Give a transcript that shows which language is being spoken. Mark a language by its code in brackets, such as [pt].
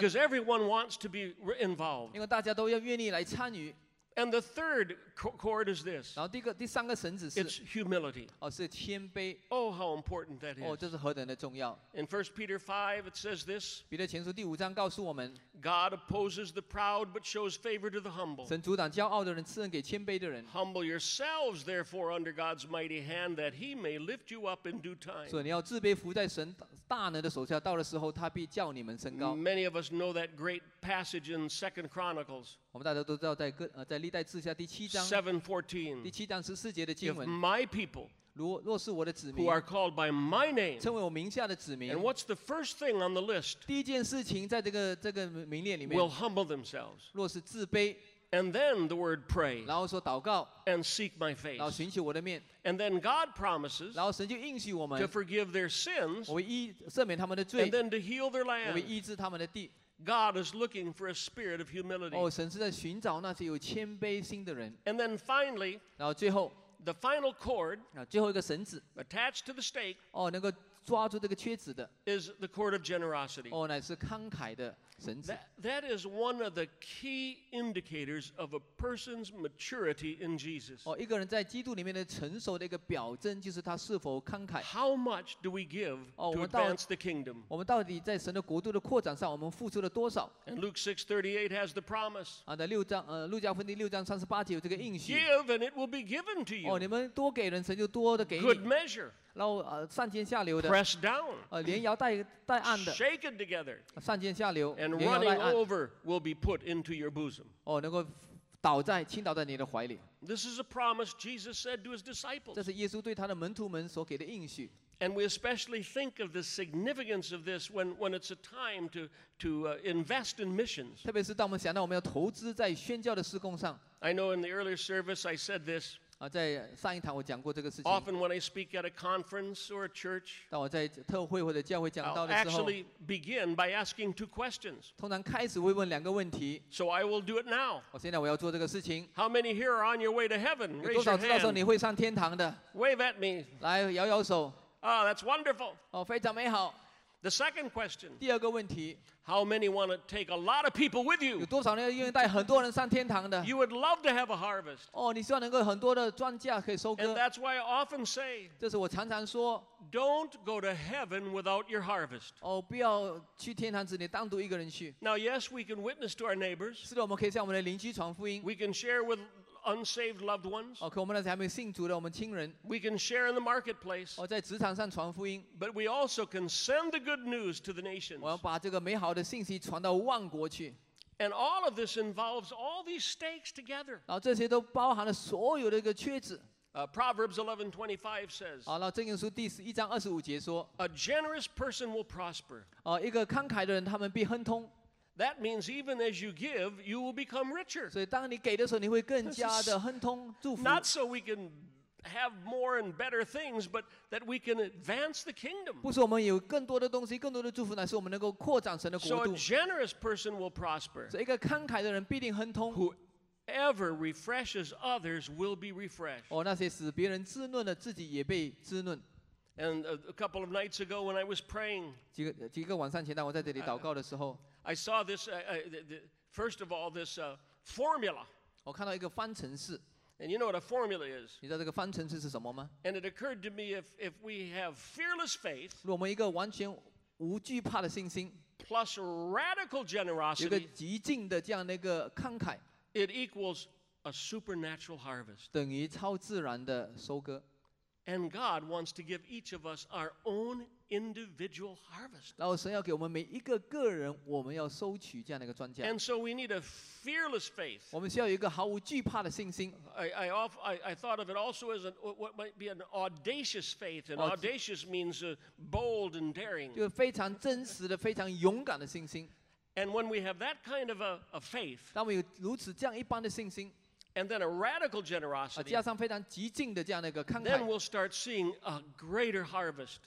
[en] Because everyone wants to be involved. [zh] 因为大家都要愿意来参与。 [en] And the third cord is this. [zh] 然后第三个绳子是。 [en] It's humility. [zh] 哦，是谦卑。 [en] Oh, how important that is. [zh] 哦，这是何等的重要。 [en] In 1 Peter 5, it says this. [zh] 彼得前书第五章告诉我们。 [en] God opposes the proud, but shows favor to the humble. [zh] 神阻挡骄傲的人，赐恩给谦卑的人。 [en] Humble yourselves, therefore, under God's mighty hand, that He may lift you up in due time. [zh] 所以你要自卑，伏在神大能的手下，到了时候，他必叫你们升高。 [en] Many of us know that great passage in 2 Chronicles. [zh] 我们大家都知道，在历代志下第七章 [en] 7:14, [zh] 第七章十四节的经文。 [en] If my people Who are called by my name, [zh] 称为我名下的子民 [en] and what's the first thing on the list? [zh] 第一件事情在这个名列里面 [en] will humble themselves. [zh] 若是自卑 [en] and then the word pray, [zh] 然后说祷告 [en] and seek my face, [zh] 然后寻求我的面 [en] and then God promises, [zh] 然后神就应许我们 [en] to forgive their sins, [zh] 我赦免他们的罪 [en] and then to heal their land, [zh] 我医治他们的地 [en] God is looking for a spirit of humility. [zh] 哦，神是在寻找那些有谦卑心的人 [en] and then finally, [zh] 然后最后 [en] The final cord, [zh] 最后一个绳子 [en] attached to the stake, [zh] 哦，能够抓住这个缺子的 [en] is the cord of generosity. [zh] 哦，乃是慷慨的绳子。 [en] That is one of the key indicators of a person's maturity in Jesus. [zh] 哦，一个人在基督里面的成熟的一个表征，就是他是否慷慨。 [en] How much do we give to advance the kingdom? [zh] 我们到底在神的国度的扩展上，我们付出了多少 [en] ？And Luke 6:38 has the promise. [zh] 啊，在六章，路加福音六章三十八节有这个应许。 [en] Give and it will be given to you. [zh] 哦，你们多给人，神就多的给你。 [en] Good measure. [zh] 然后上尖下流的 [en] press down [zh] 连摇带按的 [en] shake it together [zh] 上尖下流 [en] and running over will be put into your bosom [zh] 哦，能够倒在倾倒在你的怀里 [en] this is a promise Jesus said to his disciples [zh] 这是耶稣对他的门徒们所给的应许 [en] and we especially think of the significance of this when it's a time to invest in missions [zh] 特别是当我们想到我们要投资在宣教的事工上 [en] I know in the earlier service I said this Often when I speak at a conference or a church, I'll actually begin by asking two questions. [zh] 通常开始会问两个问题 [en] So I will do it now. [zh] 我现在我要做这个事情 [en] How many here are on your way to heaven? Raise your hand. [zh] 有多少知道你会上天堂的 [en] Wave at me. [zh] 来摇摇手 [en] Oh, that's wonderful. [zh] 哦，非常美好 [en] The second question. [zh] 第二个问题 [en] How many want to take a lot of people with you? [zh] 有多少人愿意带很多人上天堂的 [en] You would love to have a harvest. [zh] 哦，你希望能够很多的庄稼可以收割 [en] And that's why I often say. [zh] 这是我常常说 [en] Don't go to heaven without your harvest. [zh] 哦，不要去天堂只你单独一个人去 [en] Now, yes, we can witness to our neighbors. [zh] 是的，我们可以向我们的邻居传福音 [en] We can share with unsaved loved ones. [zh] 哦，可我们那些还没信主的我们亲人 [en] We can share in the marketplace. [zh] 哦，在职场上传福音 [en] But we also can send the good news to the nations. [zh] 我要把这个美好的信息传到万国去 [en] And all of this involves all these stakes together. [zh] 然后这些都包含了所有的一个缺子 [en] Proverbs 11:25 says. [zh] 好，然后箴言书第十一章二十五节说 [en] A generous person will prosper. [zh] 哦，一个慷慨的人他们必亨通。 [en] That means even as you give, you will become richer. [zh] 所以当你给的时候，你会更加的亨通祝福。 [en] Not so we can have more and better things, but that we can advance the kingdom. [zh] 不是我们有更多的东西，更多的祝福，乃是我们能够扩展神的国度。 [en] So a generous person will prosper. [zh] 所以一个慷慨的人必定亨通。 [en] Whoever refreshes others will be refreshed. [zh] 哦，那些使别人滋润的，自己也被滋润。 [en] And a couple of nights ago when I was praying, I saw this, first of all, this formula. And you know what a formula is? [zh] 你知道这个方程式是什么吗? [en] And it occurred to me, if we have fearless faith, [zh] 如果我们一个完全无惧怕的信心, [en] plus radical generosity, [zh] 一个极尽的这样的一个慷慨, [en] it equals a supernatural harvest. [zh] 等于超自然的收割。 [en] And God wants to give each of us our own individual harvest. And so we need a fearless faith. I thought of it also as what might be an audacious faith. And audacious means bold and daring. [zh] 就非常真实的, 非常勇敢的信心。 [en] And when we have that kind of a faith, [zh] 当我有如此这样一般的信心, [en] and then a radical generosity, then we'll start seeing a greater harvest.